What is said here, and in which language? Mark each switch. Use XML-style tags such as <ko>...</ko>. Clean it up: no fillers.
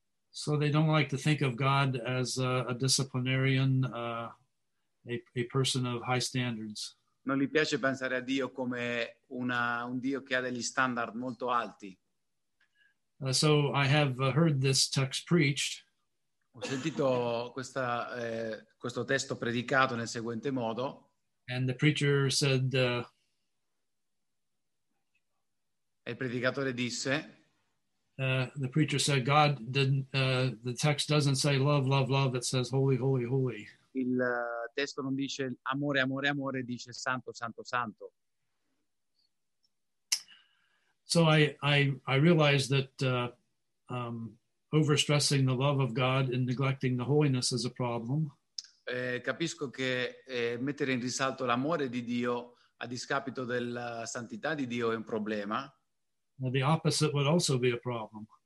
<en>So they don't like to think of God as a disciplinarian, a person of high standards.</en> <it>Non gli piace pensare a Dio come un Dio che ha degli standard molto alti.</it> <en>So I have heard this text preached.</en> <it>Ho sentito questo testo predicato nel seguente modo.</it> <en>And the preacher said,</en> <it>il predicatore disse,</it> <en>the preacher said, God didn't, the text doesn't say love, love, love. It says holy, holy, holy.</en> <it>Il testo non dice amore, amore, amore, dice santo, santo, santo.</it> <en>So I realized that overstressing the love of God and neglecting the holiness is a problem.</en> <it>Capisco che mettere in risalto l'amore di Dio a discapito della santità di Dio è un problema.</it> <en>Well, the opposite would also be a problem.</en>